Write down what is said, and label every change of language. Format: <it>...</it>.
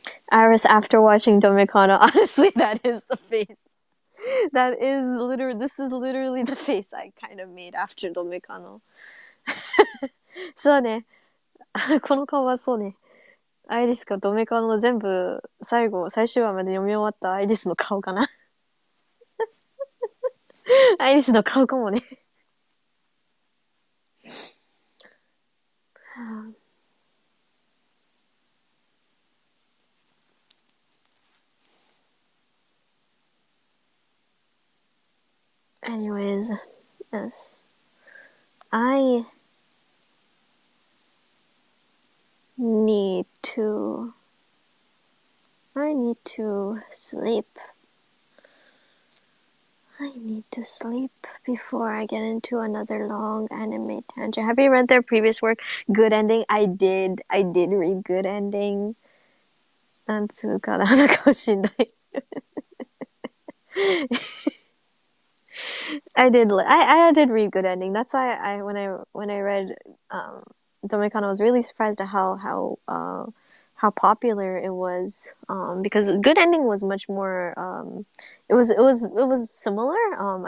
<en>Iris, after watching Domekano, honestly, that is the face. That is literally, this is literally the face I kind of made after Domekano.</en> <ja>そうね。この顔はそうね。アイリスがドメカノ全部最後、最終話まで読み終わったアイリスの顔かな。アイリスの顔かもね。</ja> <en>Anyways, yes. I need to. I need to sleep. I need to sleep before I get into another long anime tangent. Have you read their previous work, Good Ending? I did read Good Ending.</en> <ja>なんつうかなのかもしんない。</ja> <en>I did read Good Ending. That's why I when I read Domecano was really surprised at how popular it was, because Good Ending was much more, it was similar.</en>